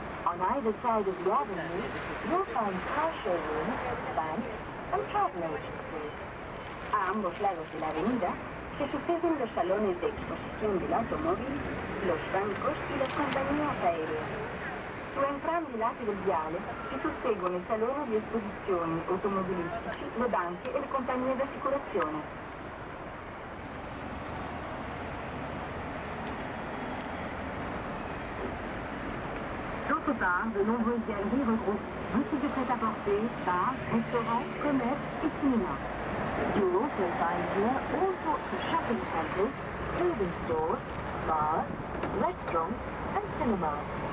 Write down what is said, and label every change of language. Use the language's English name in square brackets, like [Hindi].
[English] On either side of the avenue, you'll find car showrooms, banks, and travel agencies. [Spanish] A ambos lados de la avenida se suceden los salones de exposición del automóvil, los bancos y las compañías aéreas. [Italian] Su entrambi i lati del viale si susseguono il salone di esposizioni automobilistici, le banche e le compagnie d'assicurazione. [French] De nombreux galeries regroupent boutiques de prêt-à-porter, bars, restaurants, commerces et cinémas. [English] You also find here all sorts of shopping centers, clothing stores, bars, restaurants and cinemas.